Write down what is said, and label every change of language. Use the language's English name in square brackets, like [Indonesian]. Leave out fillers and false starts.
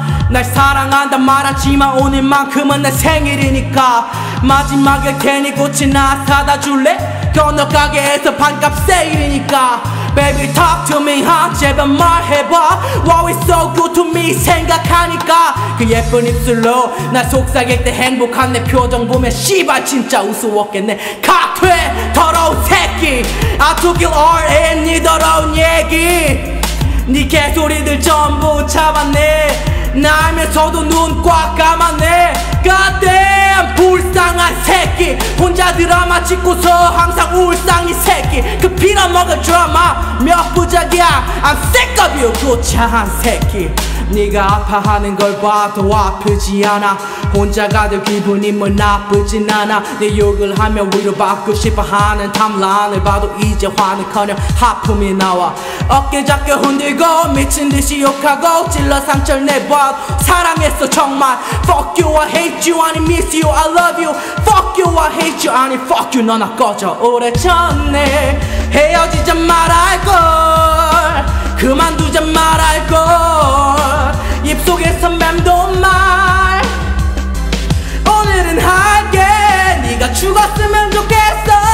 [Korean] 날 사랑한다 말하지만 오늘만큼은 내 생일이니까 마지막에 괜히 꽃이나 사다 줄래? 건너 가게에서 반값 세일이니까 [English] Baby talk to me, huh? [Korean] 제발 말해봐. [English] Why we so good to me? [Korean] 생각하니까 그 예쁜 입술로 날 속삭일 때 행복한 내 표정 보면 씨발 진짜 우스웠겠네. 카퇴 더러운 새끼. [English] I took it all in [Korean] 니 더러운 얘기. 니 개소리들 전부 참았네. 나 알면서도 눈 꽉 감았네. [English] God damn [Korean] 불쌍한 새끼. 혼자 드라마 찍고서 항상 울상이 새끼. 그 빌어먹을 드라마 몇 부작이야. [English] I'm sick of you [Korean] 고차한 새끼. 네가 아파하는 걸 봐도 아프지 않아. 혼자 가도 기분이 뭐 나쁘진 않아. 내 욕을 하며 위로받고 싶어하는 탐란을 봐도 이제 화는커녕 하품이 나와. 어깨 잡게 흔들고 미친 듯이 욕하고 찔러 상처를 내봐도 사랑했어 정말. [English] Fuck you, I hate you, I miss you, I love you. Fuck you, I hate you, I fuck you, [Korean] 너나 꺼져. 오래전에 헤어지자 말할걸, 그만두자 말할걸, 입속에서 맴돈 말. 오늘은 할게. 네가 죽었으면 좋겠어.